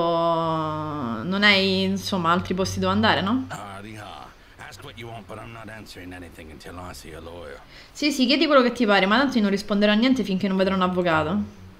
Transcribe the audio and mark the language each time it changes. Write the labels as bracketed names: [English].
[Italian] Non hai, insomma, altri posti dove andare, no? [English] Ask what you want, but I'm not answering anything until I see a lawyer. [Italian] Sì, sì, chiedi quello che ti pare, ma tanto io non risponderò a niente finché non vedrò un avvocato.